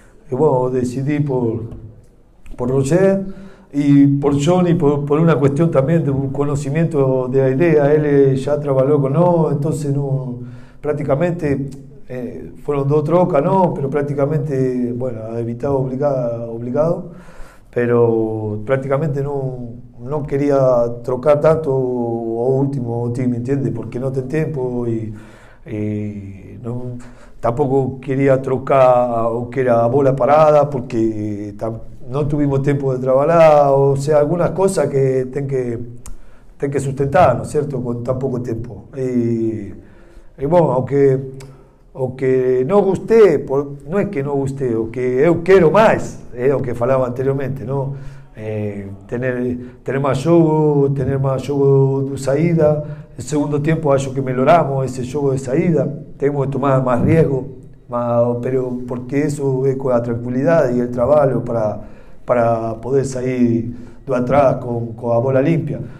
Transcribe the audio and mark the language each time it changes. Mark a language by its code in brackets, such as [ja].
[pt] E bom, decidi por Roger e por Johnny, por uma questão também de conhecimento da ideia. Ele já trabalhou com nós, então não, praticamente foram duas trocas, não, mas praticamente, bueno, evitado, obrigado, mas praticamente não. [es] No quería trocar tanto o último team, ¿entiendes? Porque no ten tiempo y no, tampoco quería trocar o que era bola parada porque no tuvimos tiempo de trabajar. O sea, algunas cosas que [pt] tem que sustentar, não é certo? Com tão pouco tempo. E bom, o que não gostei, não é que não gostei, o que eu quero mais, é o que falava anteriormente, não? [es] Tener más juego de salida. El segundo tiempo, [pt] acho que [es] mejoramos ese juego de salida. Tenemos que tomar más riesgo, pero porque eso es con la tranquilidad y el trabajo para poder salir de atrás con la bola limpia.